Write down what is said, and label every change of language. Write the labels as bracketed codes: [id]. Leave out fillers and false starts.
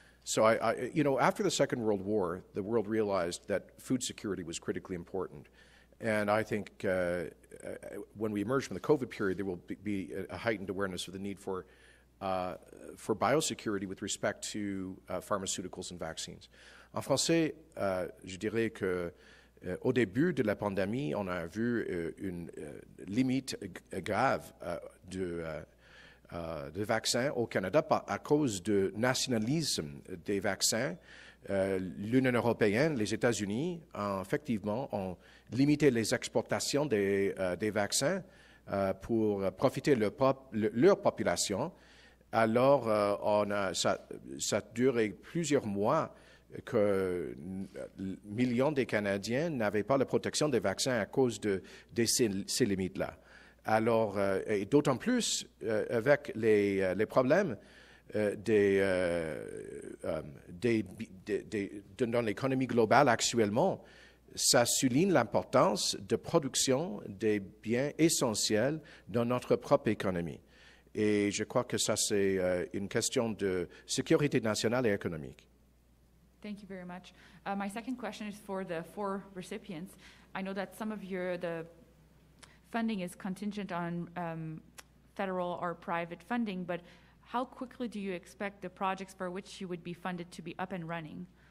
[en] So, after the Second World War, the world realized that food security was critically important. And I think when we emerge from the COVID period, there will be a heightened awareness of the need for biosecurity with respect to pharmaceuticals and vaccines. [fr] En français, je dirais que au début de la pandémie, on a vu une limite grave de vaccins au Canada à cause du nationalisme des vaccins. L'Union européenne, les États-Unis, effectivement, ont limité les exportations des vaccins pour profiter leur population. Alors, ça a duré plusieurs mois que millions de Canadiens n'avaient pas la protection des vaccins à cause de ces limites-là. Alors, et d'autant plus avec les problèmes dans l'économie globale actuellement, ça souligne l'importance de production des biens essentiels dans notre propre économie. Et je crois que ça, c'est une question de sécurité nationale et économique. [en] Thank you very much. My second question is for the four recipients. I know that some of your the funding is contingent on federal or private funding, but how quickly do you expect the projects for which you would be funded to be up and running?